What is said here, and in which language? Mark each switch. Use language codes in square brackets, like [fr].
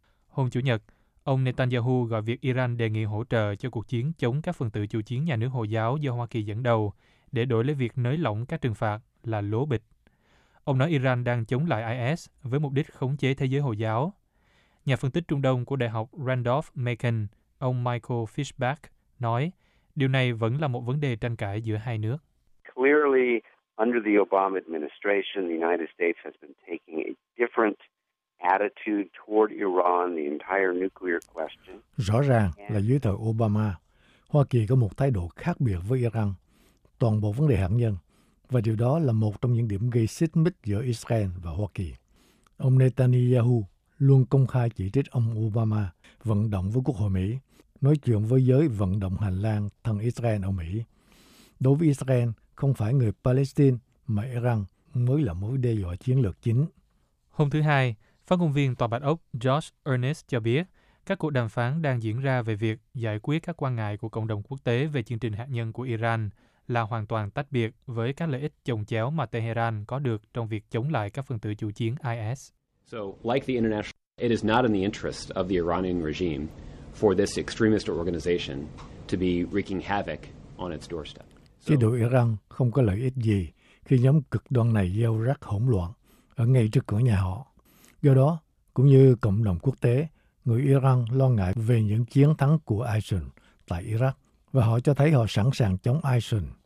[vi] Hôm Chủ nhật, ông Netanyahu gọi việc Iran đề nghị hỗ trợ cho cuộc chiến chống các phần tử chủ chiến nhà nước Hồi giáo do Hoa Kỳ dẫn đầu để đổi lấy việc nới lỏng các trừng phạt là lố bịch. Ông nói Iran đang chống lại IS với mục đích khống chế thế giới Hồi giáo. Nhà phân tích Trung Đông của Đại học Randolph-Macon, ông Michael Fishback, nói điều này vẫn là một vấn đề tranh cãi giữa hai nước. [en] Clearly, under the Obama administration, the United States has been taking a different attitude toward Iran, the entire nuclear question. [vi] Rõ ràng là dưới thời Obama, Hoa Kỳ có một thái độ khác biệt với Iran, toàn bộ vấn đề hạt nhân, và điều đó là một trong những điểm gây xích mích giữa Israel và Hoa Kỳ. Ông Netanyahu luôn công khai chỉ trích ông Obama vận động với Quốc hội Mỹ, nói chuyện với giới vận động hành lang thân Israel ở Mỹ. Đối với Israel, không phải người Palestine mà Iran mới là mối đe dọa chiến lược chính. Hôm thứ Hai, phát ngôn viên Tòa Bạch Ốc Josh Earnest cho biết các cuộc đàm phán đang diễn ra về việc giải quyết các quan ngại của cộng đồng quốc tế về chương trình hạt nhân của Iran là hoàn toàn tách biệt với các lợi ích chồng chéo mà Tehran có được trong việc chống lại các phần tử chủ chiến IS. [en] So, like the international, it is not in the interest of the Iranian regime for this extremist organization to be wreaking havoc on its doorstep. [vi] Chế độ Iran không có lợi ích gì khi nhóm cực đoan này gieo rắc hỗn loạn ở ngay trước cửa nhà họ. Do đó, cũng như cộng đồng quốc tế, người Iran lo ngại về những chiến thắng của ISIL tại Iraq và họ cho thấy họ sẵn sàng chống ISIL.